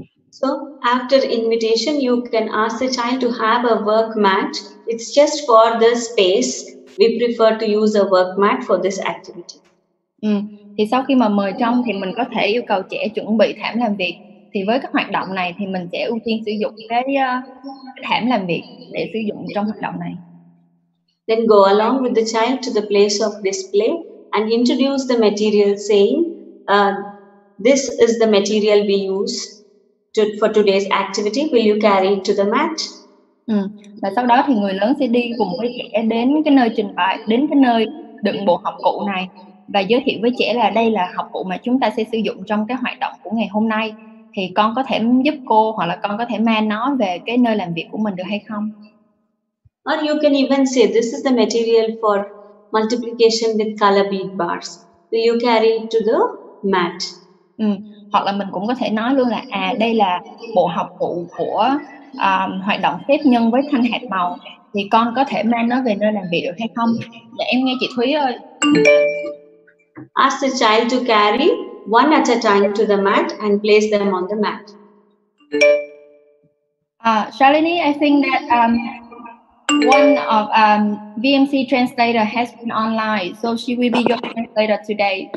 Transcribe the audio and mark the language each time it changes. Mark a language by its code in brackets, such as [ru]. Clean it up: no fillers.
[en] So after invitation, you can ask the child to have a work mat. It's just for the space. We prefer to use a work mat for this activity. [vi] Ừ. Thì sau khi mà mời trong thì mình có thể yêu cầu trẻ chuẩn bị thảm làm việc. Thì với các hoạt động này thì mình sẽ ưu tiên sử dụng cái thảm làm việc để sử dụng trong hoạt động này. [en] Then go along with the child to the place of display and introduce the material saying, this is the material we use for today's activity, will you carry it to the mat? [vi] Ừ. Và sau đó thì người lớn sẽ đi cùng với trẻ đến cái nơi trình bày, đến cái nơi đựng bộ học cụ này và giới thiệu với trẻ là đây là học cụ mà chúng ta sẽ sử dụng trong cái hoạt động của ngày hôm nay. Thì con có thể giúp cô hoặc là con có thể mang nó về cái nơi làm việc của mình được hay không? [en] Or you can even say this is the material for multiplication with color bead bars. Will you carry it to the mat? [vi] Ừ. Hoặc là mình cũng có thể nói luôn là à, đây là bộ học cụ của hoạt động phép nhân với thanh hạt màu, thì con có thể mang nó về nơi làm việc được hay không? Dạ em nghe chị Thúy ơi. [en] Ask the child to carry one at a time to the mat and place them on the mat. Shalini, I think that one of VMC translator has been online, so she will be your translator today.